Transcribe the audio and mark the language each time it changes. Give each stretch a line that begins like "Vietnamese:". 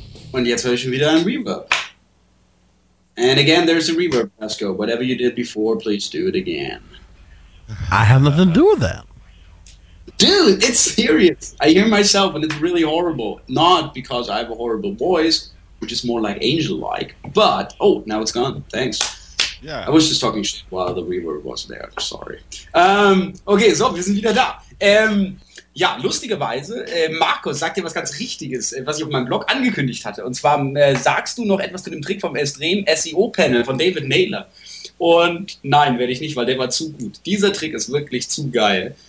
German: Und jetzt höre ich wieder ein Reverb.
English: And again, there's a reverb, Pasco. Whatever you did before, please do it again. I have nothing to do with that. Dude, it's serious. I hear myself and it's really horrible. Not because I have a horrible voice, which is more like angel-like, but... Oh, now it's gone. Thanks. Yeah. I was just talking shit while the reverb was there. Sorry.
German: Okay, so, wir sind wieder da. Ja, lustigerweise, Markus sagt dir was ganz Richtiges, was ich auf meinem Blog angekündigt hatte. Und zwar sagst du noch etwas zu dem Trick vom SEO-Panel von David Naylor. Und nein, werde ich nicht, weil der war zu gut. Dieser Trick ist wirklich zu geil.